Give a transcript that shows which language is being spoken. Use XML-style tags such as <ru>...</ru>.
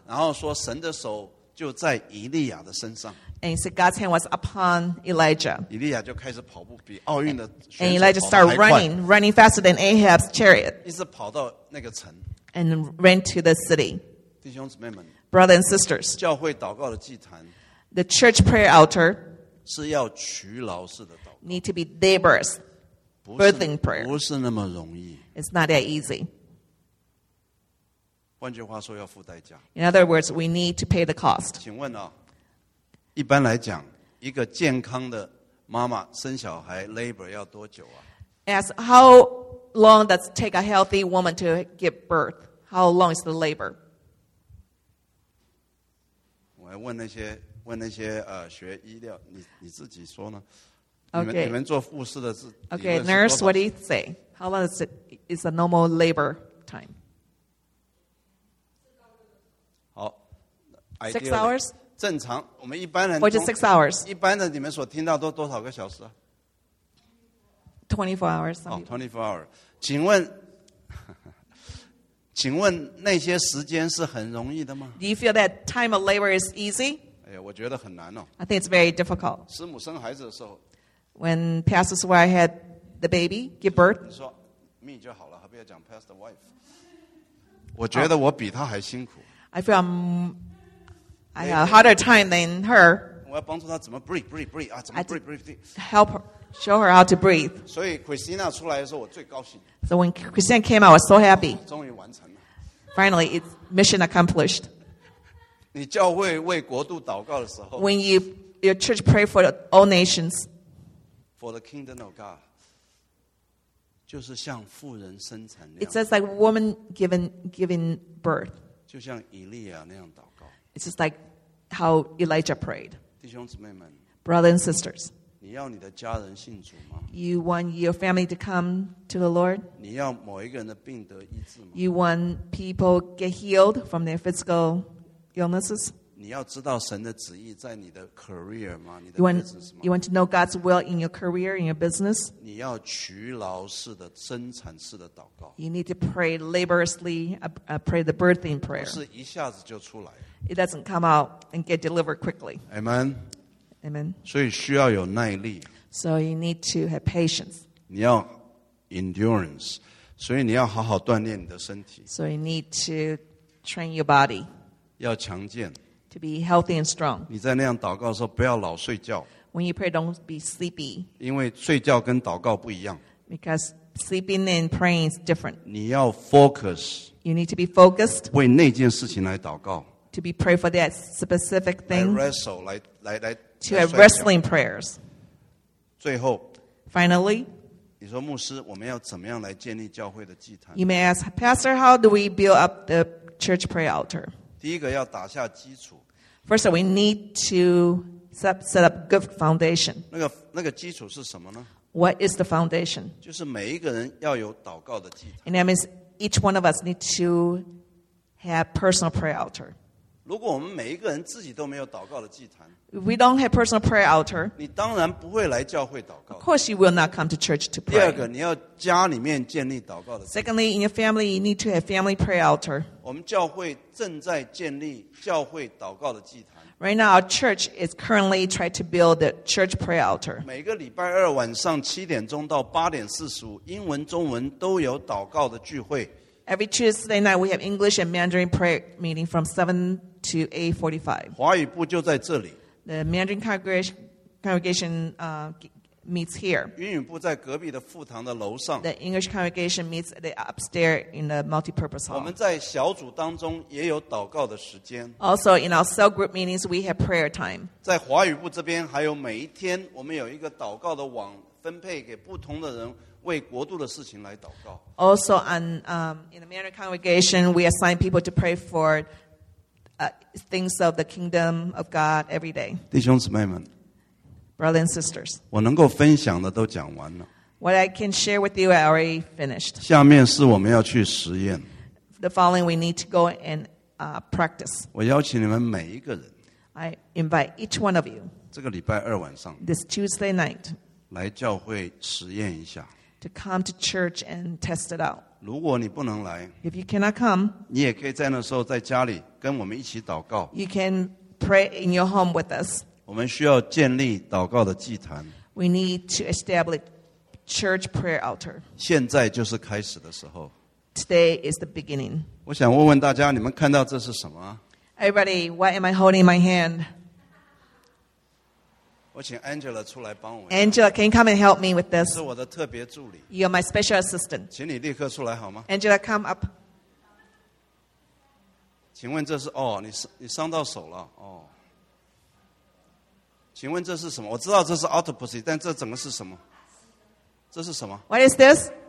<zh>然后说神的手就在以利亚的身上</zh> <en>And he said God's hand was upon Elijah</en> <zh>以利亚就开始跑步比奥运的选手跑得还快</zh> <en>And Elijah started running faster than Ahab's chariot</en> <zh>一直跑到那个城</zh> <en>And ran to the city</en> <zh>弟兄姊妹们</zh> <en>Brothers and sisters</en> <zh>教会祷告的祭坛</zh> <en>The church prayer altar</en> <zh>是要劬劳式的祷告</zh> <en>Need to be laborious birthing prayer.</en> <zh>不是那么容易。</zh> <en>It's not that easy.</en> <zh>换句话说，要付代价。</zh> <en>In other words, we need to pay the cost.</en> <zh>请问啊，一般来讲，一个健康的妈妈生小孩 labor 要多久啊？</zh> <en>As how long does it take a healthy woman to give birth? How long is the labor?</en> <zh>我还问那些学医疗，你自己说呢？</zh> <en>Okay.</en> <zh>你们做护士的是</zh> <en>okay, nurse, what do you say? How long is it? Is a normal labor time?</en> <zh>好</zh> <en>，six hours.</en> <zh>正常，我们一般人</zh> <en>or just 6 hours.</en> <zh>一般的，你们所听到都多少个小时？</zh> <en>24 hours. 哦 ，24 hours.</en> <zh>请问那些时间是很容易的吗</zh> <en>？Do you feel that time of labor is easy?</en> <zh>哎呀，我觉得很难哦。</zh> <en>I think it's very difficult.</en> <zh>师母生孩子的时候。</zh> <en>When Pastor's wife had the baby, give birth.</en> <zh>你说 me 就好了，何必要讲</zh> <en>Pastor's wife?</en> <zh>我觉得我比她还辛苦。</zh> <en>I feel I have a harder time than her.</en> <zh>我要帮助她怎么 breathe 啊，怎么 breathe.</zh> <en>Help her, show her how to breathe.</en> <zh>所以 Christina 出来的时候，我最高兴。</zh> <en>So when Christina came out, I was so happy.</en> <zh>终于完成了。</zh> <en>Finally, it's mission accomplished.</en> <zh>你教会为国度祷告的时候</zh> <en>，When your church pray for all nations. For the kingdom of God,</en> <zh>就是像妇人生产那样。</zh> <en>It's just like woman giving birth.</en> <zh>就像以利亚那样祷告。</zh> <en>It's just like how Elijah prayed.</en> <zh>弟兄姊妹们。</zh> <en>Brothers and sisters.</en> <zh>你要你的家人信主吗</zh> <en>？You want your family to come to the Lord?</en> <zh>你要某一个人的病得医治吗</zh> <en>？You want people get healed from their physical illnesses?</en> <zh>你要知道神的旨意在你的 career 吗？你的</zh> <en>business 吗 ？You want to know God's will in your career, in your business?</en> <zh>你要劬劳式的、生产式的祷告。</zh> <en>You need to pray laboriously, pray the birthing prayer.</en> <zh>是一下子就出来。</zh> <en>It doesn't come out and get delivered quickly. Amen. Amen.</en> <zh>所以需要有耐力。</zh> <en>So you need to have patience.</en> <zh>你要 endurance. 所以你要好好锻炼你的身体。</zh> <en>So you need to train your body.</en> <zh>要强健。</zh> <en>To be healthy and strong.</en> <zh>你在那样祷告的时候，不要老睡觉。</zh> <en>When you pray, don't be sleepy.</en> <zh>因为睡觉跟祷告不一样。</zh> <en>Because sleeping and praying is different.</en> <zh>你要 focus.</zh> <en>You need to be focused.</en> <zh>为那件事情来祷告。</zh> <en>To be pray for that specific thing.</en> <zh>来 wrestle, 来</zh> <en>To have wrestling prayers.</en> <zh>最后。</zh> <en>Finally.</en> <zh>你说牧师，我们要怎么样来建立教会的祭坛</zh> <en>？You may ask, Pastor, how do we build up the church prayer altar?</en> <zh>第一个要打下基础。</zh> <en>First, we need to set up good foundation.</en> <zh>那个基础是什么呢</zh> <en>？What is the foundation?</en> <zh>就是每一个人要有祷告的祭坛。</zh> <en>And that means each one of us need to have personal prayer altar.</en> <zh>如果我们每一个人自己都没有祷告的祭坛</zh> <en>，If we don't have personal prayer altar,</en> <zh>你当然不会来教会祷告。</zh> <en>Of course, you will not come to church to pray.</en> <zh>第二个，你要家里面建立祷告的祭坛。</zh> <en>Secondly, in your family, you need to have family prayer altar.</en> <zh>我们教会正在建立教会祷告的祭坛。</zh> <en>Right now, our church is currently trying to build the church prayer altar.</en> <zh>每个礼拜二晚上7:00到8:45，英文、中文都有祷告的聚会。</zh> <en>Every Tuesday night, we have English and Mandarin prayer meeting from 7 to 8:45.</en> <zh>华语部就在这里。</zh> <en>The Mandarin congregation, meets here.</en> <zh>英语部在隔壁的副堂的楼上。</zh> <en>The English congregation meets upstairs in the multi-purpose hall.</en> <zh>我们在小组当中也有祷告的时间。</zh> <en>Also in our cell group meetings, we have prayer time.</en> <zh>在华语部这边还有每一天，我们有一个祷告的网，分配给不同的人为国度的事情来祷告。</zh> <en>Also on in the Mandarin congregation, we assign people to pray for things of the kingdom of God every day.</en> <zh>弟兄姊妹们。</zh> <en>Brothers and sisters,</en> <zh>我能够分享的都讲完了。</zh> <en>What I can share with you, I already finished.</en> <zh>下面是我们要去实验。</zh> <en>The following, we need to go and practice.</en> <zh>我邀请你们每一个人。</zh> <en>I invite each one of you.</en> <zh>这个礼拜二晚上。</zh> <en>This Tuesday night.</en> <zh>来教会实验一下。</zh> <en>To come to church and test it out.</en> <zh>如果你不能来。</zh> <en>If you cannot come.</en> <zh>你也可以在那时候在家里跟我们一起祷告。</zh> <en>You can pray in your home with us.</en> <zh>我们需要建立祷告的祭坛。</zh> <en>We need to establish church prayer altar.</en> <zh>现在就是开始的时候。</zh> <en>Today is the beginning.</en> <zh>我想问问大家，你们看到这是什么</zh> <en>？Everybody, what am I holding in my hand?</en> <zh>我请 Angela 出来帮我。</zh> <en>Angela, can you come and help me with this?</en> <zh>是我的特别助理。</zh> <en>You're my special assistant.</en> <zh>请你立刻出来好吗？</zh> <en>Angela, come up.</en> <zh>请问这是哦，你伤到手了哦。请问这是什么？我知道这是 octopus, 但这整个是什么？这是什么</zh> <en>？What is this?</en>